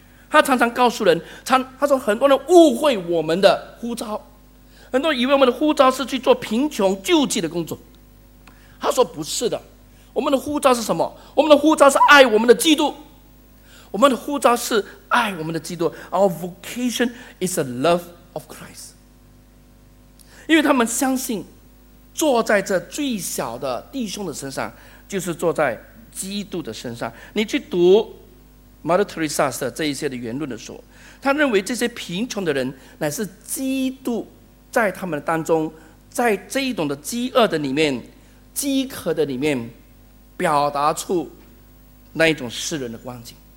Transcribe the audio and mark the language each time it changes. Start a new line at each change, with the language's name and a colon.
Chinese: 他常常告诉人，他说很多人误会我们的呼召，很多人以为我们的呼召是去做贫穷救济的工作。他说不是的，我们的呼召是什么？我们的呼召是爱我们的基督，我们的呼召是爱我们的基督。
English: Our vocation is the love of Christ.
Chinese: 因为他们相信坐在这最小的弟兄的身上，就是坐在基督的身上。你去读 Mother Teresa 的这一些的言论的时候，他认为这些贫穷的人乃是基督在他们当中，在这一种的饥饿的里面，饥渴的里面，表达出那一种世人的光景。